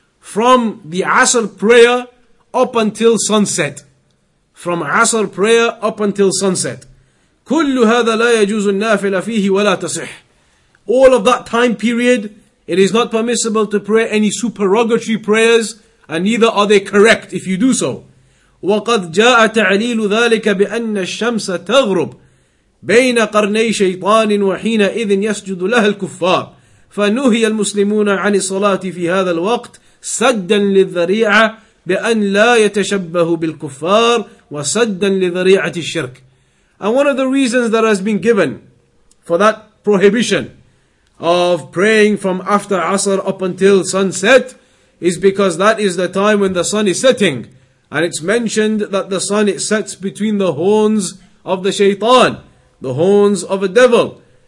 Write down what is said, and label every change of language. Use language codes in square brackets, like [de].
[en] From the Asr prayer up until sunset. From Asr prayer up until sunset. [ar] كُلُّ هَذَا لَا يَجُوزُ النَّافِلَ فِيهِ وَلَا تَصِحْ. [en] All of that time period, it is not permissible to pray any supererogatory prayers, and neither are they correct if you do so. [ar] وَقَدْ جَاءَ تَعْلِيلُ ذَلِكَ بِأَنَّ الشَّمْسَ تَغْرُبْ بين قرني شيطان وحين إذ يسجد لها الكفار فنهي المسلمون عن الصلاة في هذا الوقت سدا للذريعة بأن لا يتشبه بالكفار وسدا لذريعة الشرك. [en] And one of the reasons that has been given for that prohibition of praying from after Asr up until sunset is because that is the time when the sun is setting, and it's mentioned that the sun, it sets between the horns of the shaitan, the horns of a devil.